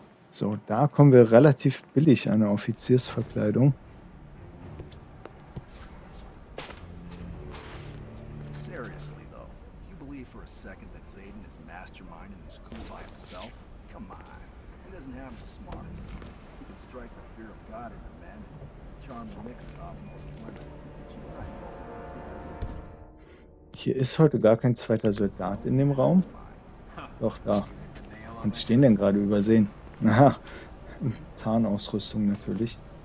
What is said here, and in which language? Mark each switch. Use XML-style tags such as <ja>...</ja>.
<de>So, da kommen wir relativ billig an eine Offiziersverkleidung.</de> <en>Seriously though, you believe for a second that Zayden is mastermind in this coup by himself? Come on. He doesn't have the smarts. He can strike the fear of God in the men and charm the mix of most women.</en> <de>Hier ist heute gar kein zweiter Soldat in dem Raum. Doch da. Und stehen denn gerade übersehen? Naja, Tarnausrüstung natürlich.</de>